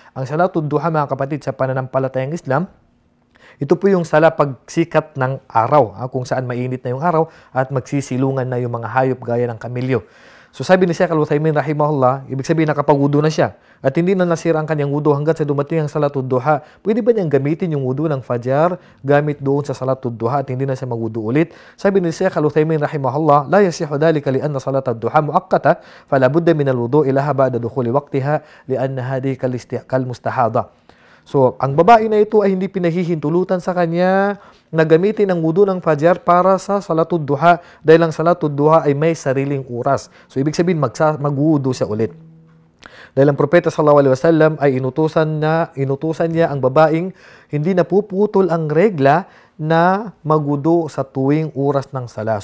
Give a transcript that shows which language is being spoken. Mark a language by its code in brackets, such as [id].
[tl] Ang salatul duha, mga kapatid, sa pananampalatayang Islam, ito po yung sala pagsikat ng araw, kung saan mainit na yung araw at magsisilungan na yung mga hayop gaya ng kamelyo. So sabi ni Sheikh Al-Uthaymeen Rahimahullah, ibig sabihin nakapag-wudu na siya at hindi na nasira ang kanyang wudu hanggat sa dumating ang salatul duha. Pwede ba niyang gamitin yung wudu ng fajar gamit doon sa salatul duha at hindi na siya mag-wudu ulit? Sabi ni [ar] Sheikh Al-Uthaymeen Rahimahullah, لا يصح ذلك لأن صلاة الدحى مؤقتة فلا بد من الوضوء لها بعد دخول وقتها لأن هذه كالمستحاضة. [tl] So ang babae na ito ay hindi pinahihintulutan sa kanya na gamitin ang wudu ng fajar para sa salatul duha dahil ang salatul duha ay may sariling oras. So ibig sabihin mag-wudu siya ulit. Dahil ang propeta sallallahu alaihi wasallam ay inutusan niya ang babaeng hindi na puputol ang regla na mag-wudu sa tuwing oras ng sala.